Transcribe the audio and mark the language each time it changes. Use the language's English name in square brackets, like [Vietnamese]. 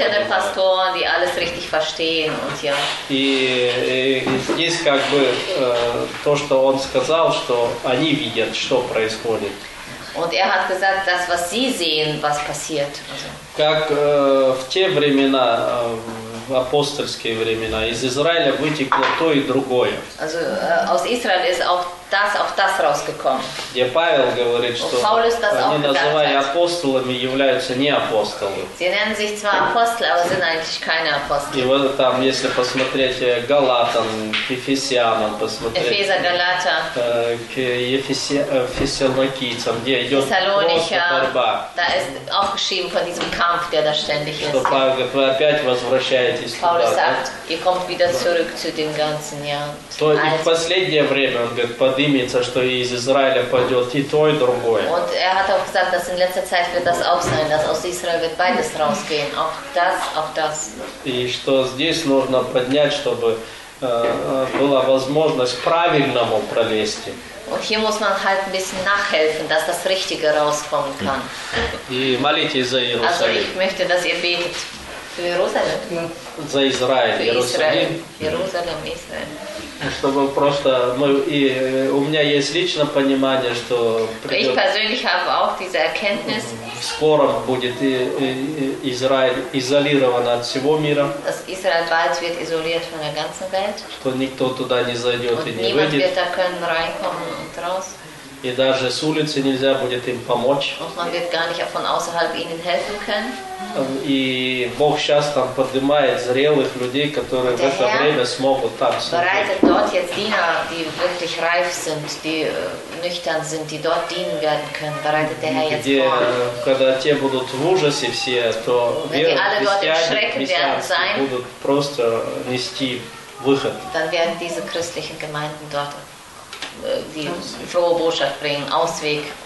[German] Es gibt nüchterne Pastoren, die alles richtig verstehen. Und ja. [Russian] И здесь как бы то, что он сказал, что они видят, что происходит. [German] Und hat gesagt, das, was sie sehen, was passiert. [Russian] Как в те времена, в апостольские времена, из Израиля вытекло то и другое. [German] Also, aus Israel ist auch das rausgekommen. [Russian] Где Павел говорит, что [German] Paulus das [Russian] они, называя апостолами, являются не апостолы. [German] Sie nennen sich zwar Apostel, aber sind eigentlich keine Apostel. [Russian] И вот там, если посмотреть Галатам, к Ефесянам, посмотреть... Эфеза, Галата. К Фессалоникийцам, где идет просто борьба. [German] Da ist aufgeschrieben von diesem Kampf, der da ständig ist. [Russian] Что Павел говорит, вы опять возвращаетесь [German] Paulus Paulus sagt, ihr kommt wieder zurück zu dem ganzen Jahr. [Russian] То и в последнее время, он говорит, поднимется, что из Израиля пойдет и то, и другое. [German] Und hat auch gesagt, dass in letzter Zeit wird das auch sein, dass aus Israel wird beides rausgehen, auch das, auch das. [Russian] И что здесь нужно поднять, чтобы была возможность правильному пролезти. [German] Und hier muss man halt ein bisschen nachhelfen, dass das Richtige rauskommen kann. [Russian] И молитесь за Иерусалим. [German] Also ich möchte, dass ihr betet für Jerusalem. [Russian] За Израиль, Иерусалим. Иерусалим, Израиль. Чтобы просто мы и у меня есть личное понимание, что [German] ich persönlich habe auch diese Erkenntnis, [Russian] скоро будет Израиль изолирован от всего мира, [German] dass Israel bald wird isoliert von der ganzen Welt, [Russian] что никто туда не зайдет [German] und [Russian] и не выйдет, [German] niemand wird da können reinkommen und raus, [Russian] и даже с улицы нельзя будет им помочь, [German] und man wird gar nicht auch von außerhalb ihnen helfen können. [Russian] И Бог сейчас там поднимает зрелых людей, которые [German] der [Russian] в это время смогут там служить. [German] Bereitet dort jetzt Diener, die wirklich reif sind, die nüchtern sind, die dort dienen werden können. Bereitet der Herr jetzt vor. [Russian] Когда те будут в ужасе все, то христиане будут просто нести выход. [German] Dann werden diese christlichen Gemeinden dort die frohe Botschaft bringen, Ausweg.